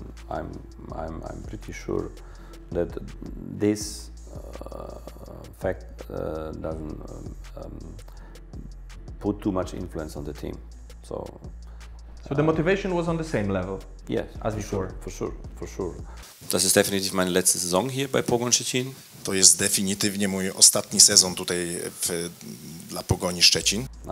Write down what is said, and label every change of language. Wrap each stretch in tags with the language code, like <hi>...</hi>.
<en>I'm pretty sure that this fact doesn't put too much influence on the team. So. So the motivation was on the same level. Yes, as before. For sure.</en> <de>Das ist definitiv meine letzte Saison hier bei Pogoń Szczecin.</de> <pl>To jest definitywnie mój ostatni sezon tutaj w, dla Pogoni Szczecin.</pl>